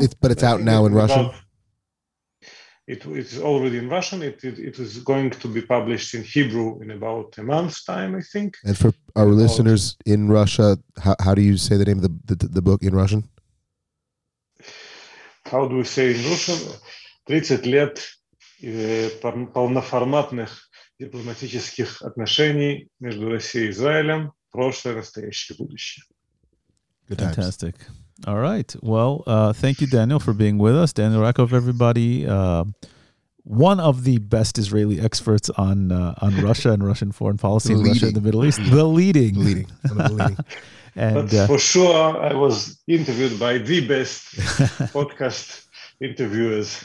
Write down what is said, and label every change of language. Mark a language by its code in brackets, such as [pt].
[en] It's out now in Russian. It's already in Russian. It is going to be published in Hebrew in about a month's time, I think. And for our listeners in Russia, how do you say the name of the book in Russian? How do we say in Russian? [ru] 30 лет полноформатных дипломатических отношений между Россией и Израилем, прошлое, настоящее, будущее. [en] Good times. Fantastic. All right. Well, thank you, Daniel, for being with us. Daniel Rakov, everybody. One of the best Israeli experts on Russia and Russian foreign policy in Russia and the Middle East. The leading. And, but for sure, I was interviewed by the best podcast interviewers.